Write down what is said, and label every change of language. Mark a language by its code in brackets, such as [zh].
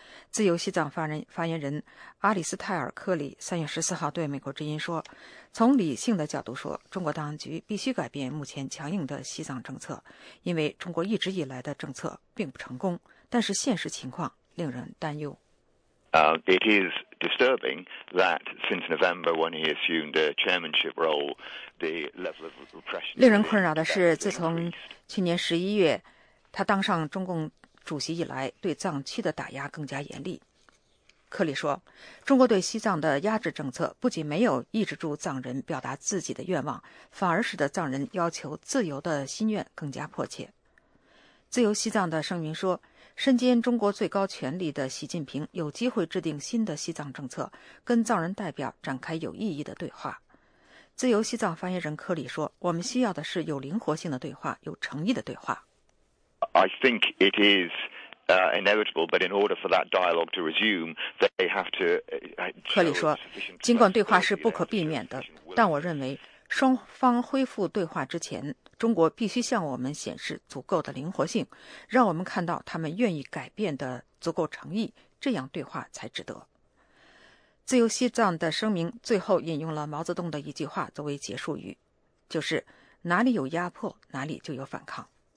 [zh] 自由西藏发言人阿里斯泰尔·科里3月14号对美国之音说，从理性的角度说，中国当局必须改变目前强硬的西藏政策，因为中国一直以来的政策并不成功，但是现实情况令人担忧。 [en] It is disturbing that since November, when he assumed a chairmanship role, the level of repression. [zh] 令人困扰的是，自从去年十一月他当上中共主席以来，对藏区的打压更加严厉。克里说，中国对西藏的压制政策不仅没有抑制住藏人表达自己的愿望，反而使得藏人要求自由的心愿更加迫切。自由西藏的声明说，身兼中国最高权力的习近平有机会制定新的西藏政策，跟藏人代表展开有意义的对话。自由西藏发言人科里说，我们需要的是有灵活性的对话，有诚意的对话。 [en] I think it is inevitable, but in order for that dialogue to resume, they have to. [zh] 科里说，尽管对话是不可避免的，但我认为双方恢复对话之前，中国必须向我们显示足够的灵活性，让我们看到他们愿意改变的足够诚意，这样对话才值得。自由西藏的声明最后引用了毛泽东的一句话作为结束语，就是哪里有压迫，哪里就有反抗。